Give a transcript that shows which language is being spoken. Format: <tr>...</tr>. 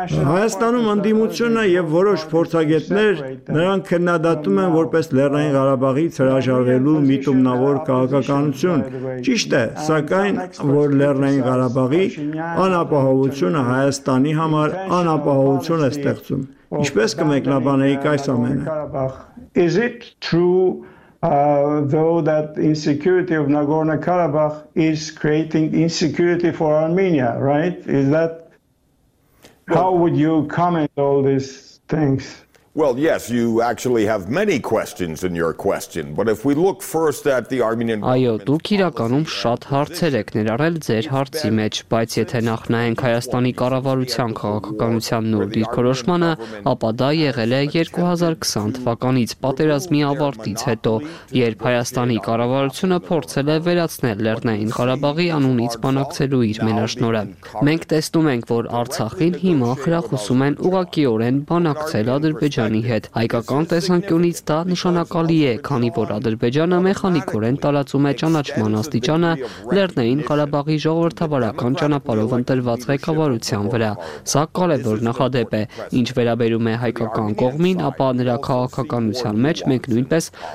<hy>Հայաստանում ընդդիմությունը և որոշ փորձագետներ նրան քննադատում են որպես Լեռնային Ղարաբաղից հրաժարվելու միտումնավոր քաղաքականություն։ Ճիշտ է, սակայն, որ Լեռնային Ղարաբաղի անապահովությունը Հայաստանի համար անապահովություն է ստեղծում։ Ինչպես կմեկնաբանեիք այս ամենը։</hy> <en>Is it true though that insecurity of Nagorno-Karabakh is creating insecurity for Armenia, right? Is that how would you comment all these things? Well, yes, you actually have many questions in your question, but if we look first at the Armenian</en> <hy>Այո, դուք իրականում շատ հարցեր եք ներառել ձեր հարցի մեջ, բայց եթե նախ նայենք Հայաստանի կառավարության քաղաքականության նոր դիրքորոշմանը, ապա դա եղել է 2020 թվականից պատերազմի ավարտից հետո, երբ Հայաստանի կառավարությունը փորձել է վերացնել Լեռնային Ղարաբաղի անունից բանակցելու իր մենաշնորը։ Մենք տեսնում ենք, որ Արցախին հիմա խրախուսում են ուղղակիորեն բանակցել Ադրբեջանի Ջանի հետ հայկական տեսանկյունից դա նշանակալի է, քանի որ Ադրբեջանը մեխանիկորեն տարածում է ճանաչման աստիճանը Լեռնային Ղարաբաղի ժողովրդավարական ճանապարհով ընտրված ղեկավարության վրա։ Սա կարևոր նախադեպ է, ինչ վերաբերում է հայկական կողմին, ապա նրա քաղաքականության մեջ մենք նույնպես</hy>